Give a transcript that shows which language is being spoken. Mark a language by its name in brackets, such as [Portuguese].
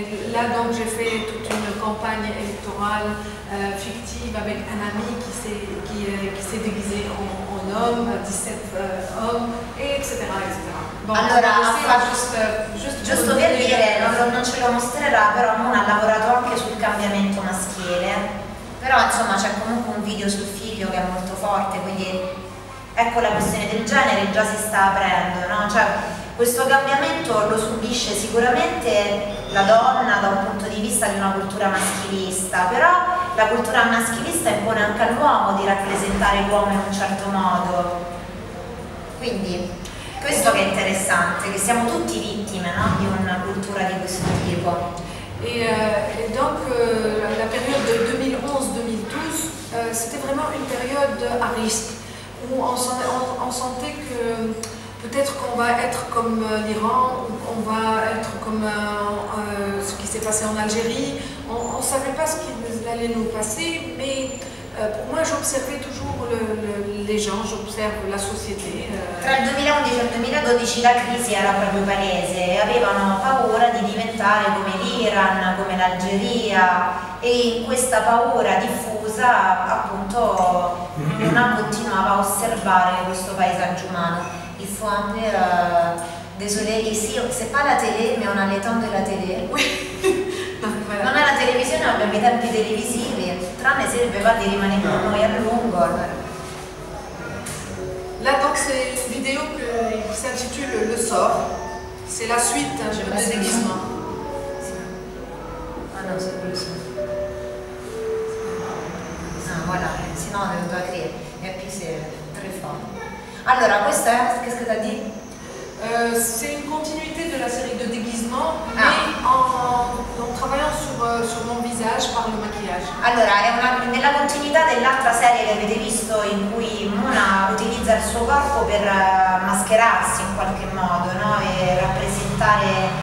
[French] Là donc j'ai fait toute une campagne électorale fictive avec un ami qui s'est déguisé en homme, 17 hommes, etc. [Italian] Bon, allora, giusto per dire, non ce lo mostrerà, però Moon ha lavorato anche sul cambiamento maschile. Però insomma c'è comunque un video sul figlio che è molto forte, quindi ecco la questione del genere già si sta aprendo, no? Cioè, questo cambiamento lo subisce sicuramente la donna da un punto di vista di una cultura maschilista, però la cultura maschilista impone anche all'uomo di rappresentare l'uomo in un certo modo. Quindi, questo che è interessante, che siamo tutti vittime, no? Di una cultura di questo tipo. [French] Et donc, la période de 2011-2012, c'était vraiment une période à risque, où on sentait que peut-être qu'on va être comme l'Iran, ou qu'on va être comme ce qui s'est passé en Algérie. On ne savait pas ce qui allait nous passer, mais pour moi, j'observais toujours les gens, j'observe la société. [Italian] Tra il 2011 e il 2012 la crisi era proprio palese, avevano paura di diventare come l'Iran, come l'Algeria, e in questa paura diffusa, appunto, una continuava a osservare questo paesaggio umano. Il fuoco, [French] désolé, ici, c'est pas la télé, mais on a le temps de la télé. [Italian] Non è la televisione, abbiamo i tempi televisivi, tranne se va di rimanere con noi a lungo. [French] Là, donc, c'est une vidéo qui s'intitule Le sort. C'est la suite de déguisement. Ah non, c'est plus ça. Ah, voilà. Sinon, on va créer. Et puis, c'est très fort. Alors, questa, qu'est-ce que tu as dit? C'est une continuité de la série de déguisement, mais en travaillant sur mon visage par le maquillage. [Italian] Allora, è nella continuità dell'altra serie che avete visto in cui Moona utilizza il suo corpo per mascherarsi in qualche modo, no? E rappresentare